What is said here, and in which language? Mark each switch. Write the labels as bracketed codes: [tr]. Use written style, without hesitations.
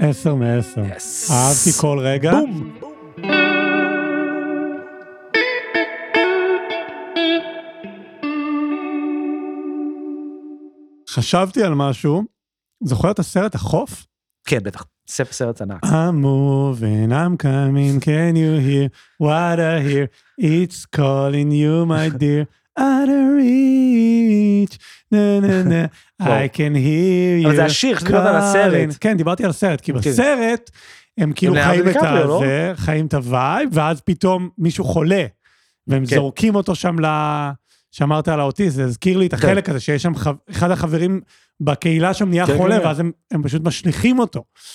[en] Yes. [he] אהבתי כל רגע. בום! חשבתי על משהו, זוכר את הסרט החוף? כן, בטח. סרט ענק. [en] I'm moving, I'm coming, can you hear what I hear? It's calling you, my dear, out of reach. No, no, no, I can hear you. [he] אבל זה השיר, דיברת על הסרט. כן, דיברתי על הסרט, כי בסרט הם כאילו חיים את הזה, חיים את הווייב, ואז פתאום מישהו חולה, והם זורקים אותו שם שאמרת על האוטיסט, זה הזכיר לי את החלק הזה, שיש שם אחד החברים בקהילה שם נהיה חולה, ואז הם פשוט משליחים אותו.